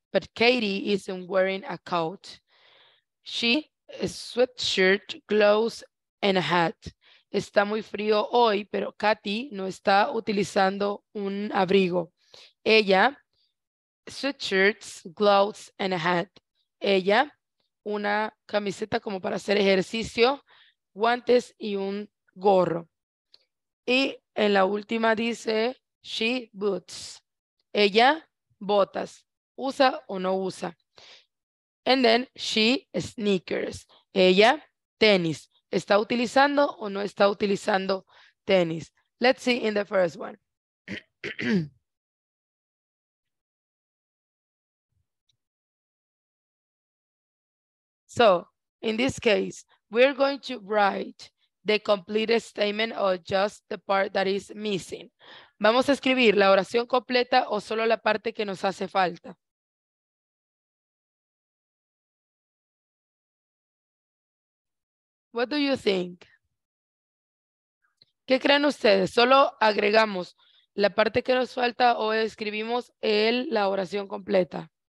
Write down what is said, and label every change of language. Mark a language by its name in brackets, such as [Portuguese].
[English] But Katie isn't wearing a coat. She, a sweatshirt, gloves, and a hat. [Spanish] Está muy frío hoy, pero Katy no está utilizando un abrigo. [English] Ella, sweatshirts, gloves and a hat. [Spanish] Ella, una camiseta como para hacer ejercicio, guantes y un gorro. Y en la última dice, [English] she boots. [Spanish] Ella, botas. ¿Usa o no usa? [English] And then, she sneakers. [Spanish] Ella, tenis. ¿Está utilizando o no está utilizando tenis? [English] Let's see in the first one. So, in this case, we're going to write the complete statement or just the part that is missing. [Spanish] ¿Vamos a escribir la oración completa o solo la parte que nos hace falta? [English] What do you think? [Spanish] ¿Qué creen ustedes? ¿Solo agregamos la parte que nos falta o escribimos la oración completa?